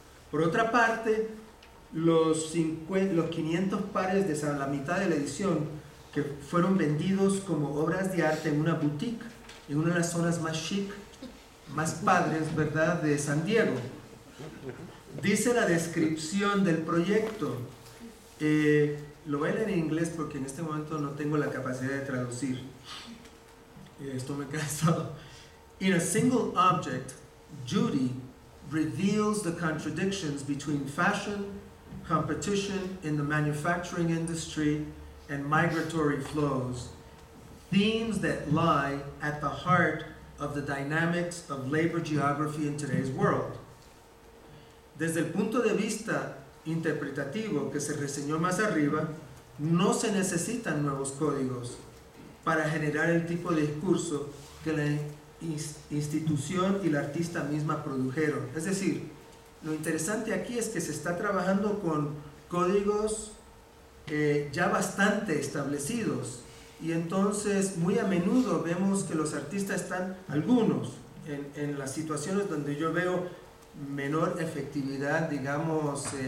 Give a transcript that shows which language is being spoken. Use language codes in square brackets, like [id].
[es] Por otra parte, los 500 pares de la mitad de la edición que fueron vendidos como obras de arte en una boutique, en una de las zonas más chic, más padres, ¿verdad?, de San Diego. Dice la descripción del proyecto, lo voy a leer en inglés porque en este momento no tengo la capacidad de traducir. Esto me cansó. [en] In a single object, Judy reveals the contradictions between fashion, competition in the manufacturing industry, and migratory flows, themes that lie at the heart of the dynamics of labor geography in today's world. [es] Desde el punto de vista interpretativo que se reseñó más arriba, no se necesitan nuevos códigos para generar el tipo de discurso que la institución y la artista misma produjeron. Es decir, lo interesante aquí es que se está trabajando con códigos ya bastante establecidos, y entonces muy a menudo vemos que los artistas están, algunos, en las situaciones donde yo veo menor efectividad, digamos,